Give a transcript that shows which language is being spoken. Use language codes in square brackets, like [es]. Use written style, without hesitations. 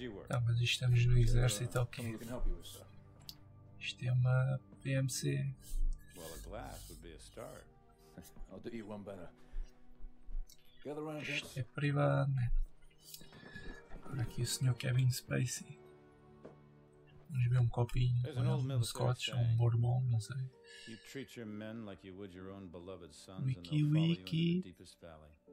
[pt] Ah, mas estamos no exército, ok. Isto é uma PMC. [en] Well, a glass would be a start. I'll do you one better. Gather around, gents. [pt] Isto é privado, né? Agora aqui o Sr. Kevin Spacey. Vamos ver um copinho. Um Scotch, um Bourbon, não sei. [en] You treat your men like you would your own beloved sons, and they'll follow you in the deepest valley.